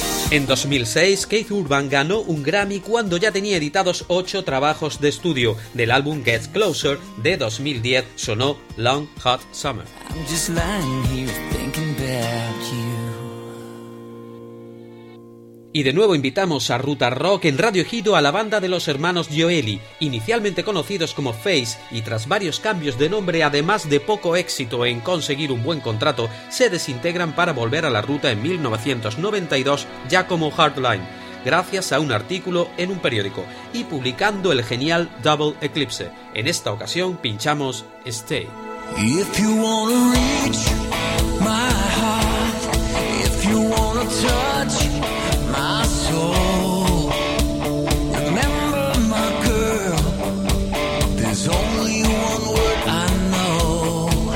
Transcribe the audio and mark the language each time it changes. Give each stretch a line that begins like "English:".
Spanish: En 2006, Keith Urban ganó un Grammy cuando ya tenía editados 8 trabajos de estudio. Del álbum Get Closer de 2010 sonó Long Hot Summer.
English: I'm just lying here thinking about you.
Spanish: Y de nuevo invitamos a Ruta Rock en Radio Ejido a la banda de los hermanos Joely, inicialmente conocidos como Face, y tras varios cambios de nombre, además de poco éxito en conseguir un buen contrato, se desintegran para volver a la ruta en 1992 ya como Hardline. gracias a un artículo en un periódico y publicando el genial Double Eclipse. En esta ocasión pinchamos Stay.
English: If you wanna reach my heart, if you wanna touch my soul, remember my girl, there's only one word I know.